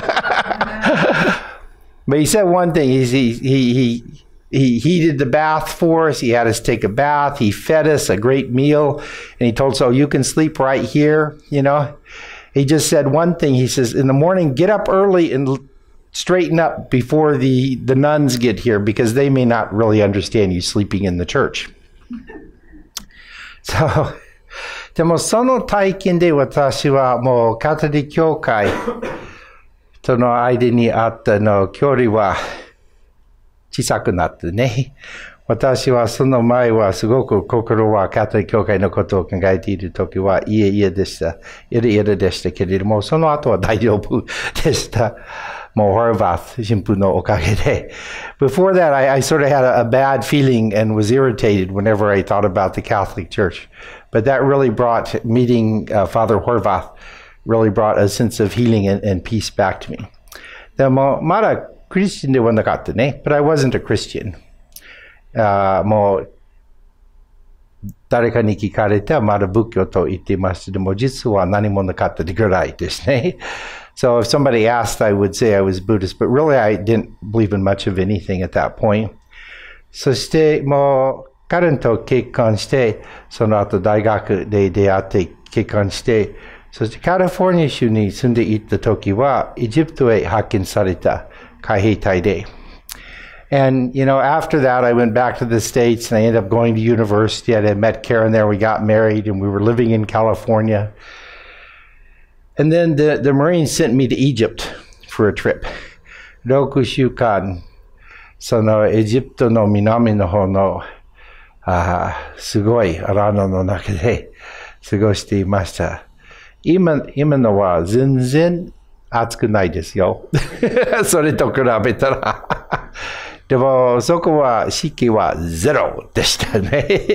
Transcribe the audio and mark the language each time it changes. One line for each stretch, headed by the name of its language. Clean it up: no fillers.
English: But he said one thing, he heated the bath for us, he had us take a bath, he fed us a great meal, and he told us, oh, you can sleep right here, you know. He just said one thing, he says, in the morning, get up early and straighten up before the nuns get here, because they may not really understand you sleeping in the church.
Japanese: So, でもその体験で私はもうカトリック教会との間にあったの距離は小さくなってね、私はその前はすごく心はカトリック教会のことを考えている時はいえいえでした、いえいえでしたけれども、その後は大丈夫でした。もうホルバート神父のおかげで。
English: Before that, I sort of had a bad feeling and was irritated whenever I thought about the Catholic Church. But that really brought meeting Father Horvath really brought a sense of healing and peace back to me.
Japanese: でもまだクリスチャンではなかったね。
English: But I wasn't a Christian.
Japanese: もう誰かに聞かれてはまだ仏教と言っていました。でも実は何もなかったぐらいですね。
English: So if somebody asked, I would say I was Buddhist, but really I didn't believe in much of anything at that point.
Japanese: そしてもう彼と結婚して、その後大学で出会って結婚して、そしてカリフォルニア州に住んでいた時はエジプトへ派遣された海兵隊で。
English: And, you know, after that, I went back to the States and I ended up going to university. I met Karen there. We got married and we were living in California. And then the Marines sent me to Egypt for a trip.
Japanese: 6週間、そのエジプトの南の方のすごいアラノの中で過ごしていました。今のは全然暑くないですよ。それと比べたら。でもそこは湿気はゼロでしたね。